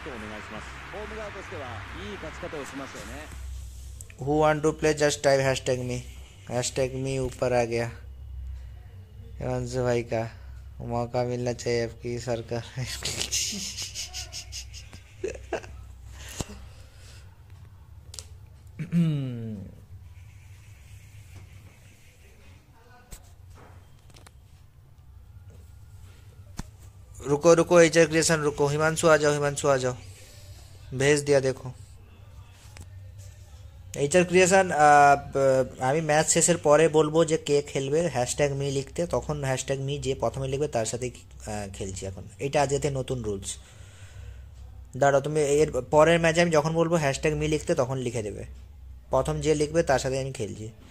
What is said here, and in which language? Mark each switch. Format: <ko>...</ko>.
<ja>ホーム側としてはいい勝ち方をしますよね</ja> <en>Who want to play just type hashtag me</en> <hi>hashtag मी ऊपर आ गया हिमांशु भाई का, मौका मिलना चाहिए आपकी सरकार रुको रुको एचआर क्रिएशन रुको, हिमांशु आ जाओ, हिमांशु आ जाओ, भेज दिया देखो এইচআর ক্রিয়েশন।</hi> <bn>আমি ম্যাচ শেষের পরে বলবো যে কে খেলবে, হ্যাশট্যাগ মি লিখতে, তখন হ্যাশট্যাগ মি যে প্রথমে লিখবে তার সাথে খেলছি এখন, এটা আজকে নতুন রুলস। দাঁড়াও তুমি এর পরের ম্যাচে আমি যখন বলবো হ্যাশট্যাগ মি লিখতে তখন লিখে দেবে, প্রথম যে লিখবে তার সাথে আমি খেলছি।</bn>